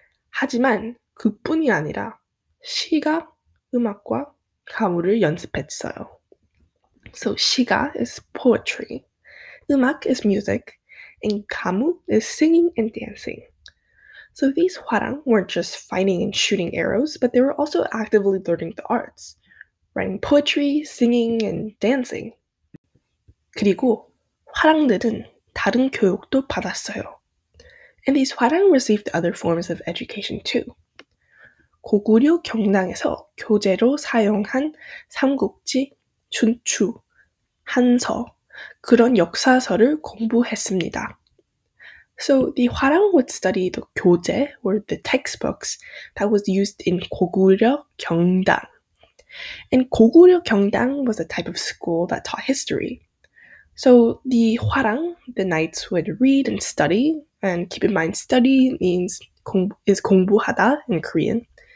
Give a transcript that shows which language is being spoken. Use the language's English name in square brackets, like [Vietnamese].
[Korean] 하지만 그뿐이 아니라 시가 음악과 가무를 연습했어요. [English] So 시가 is poetry, 음악 is music, and 가무 is singing and dancing. So these 화랑 weren't just fighting and shooting arrows, but they were also actively learning the arts, writing poetry, singing, and dancing. [Korean] 그리고 화랑들은 다른 교육도 받았어요. [English] And these 화랑 received other forms of education too. [Korean] 고구려 경랑에서 교재로 사용한 삼국지, 춘추, 한서 그런 역사서를 공부했습니다. [English] So the 화랑 would study the 교재 or the textbooks that was used in 고구려 경랑. And Goguryeo Gyeongdang was a type of school that taught history. So the hwarang, the knights would read and study, and keep in mind study means is 공부하다 in Korean.